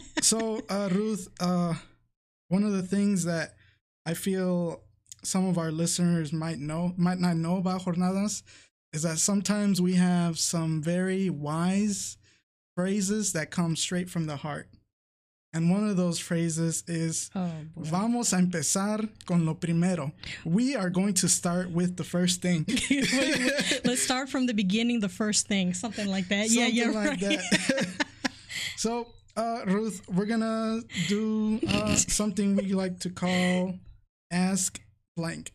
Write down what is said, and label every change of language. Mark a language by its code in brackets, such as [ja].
[en] Ruth, one of the things that I feel some of our listeners might not know about Jornadas is that sometimes we have some very wise phrases that come straight from the heart. And one of those phrases is, oh, [es] vamos a empezar con lo primero. [en] We are going to start with the first thing. Let's start from the beginning, the first thing. Something like that. Something yeah, like right. that. So, Ruth, we're going to do something we like to call ask blank.